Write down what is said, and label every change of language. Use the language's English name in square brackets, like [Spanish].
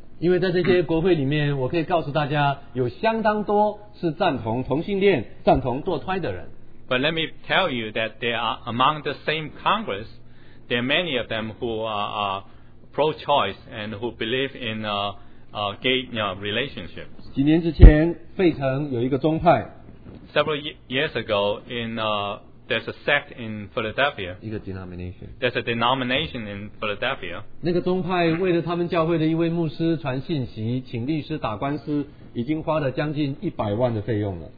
[Chinese] 因为在这些国会里面我可以告诉大家有相当多是赞同同性恋赞同堕胎的人 [English] But let me tell you that there are among the same Congress there are many of them who are pro-choice and who believe in gay relationship [Chinese] 几年之前费城有一个宗派 [English] Several years ago there's a sect in Philadelphia [Chinese] 一个 denomination [English] there's a denomination in Philadelphia [Chinese] 那个宗派为了他们教会的一位牧师传信息请律师打官司已经花了将近100万的费用了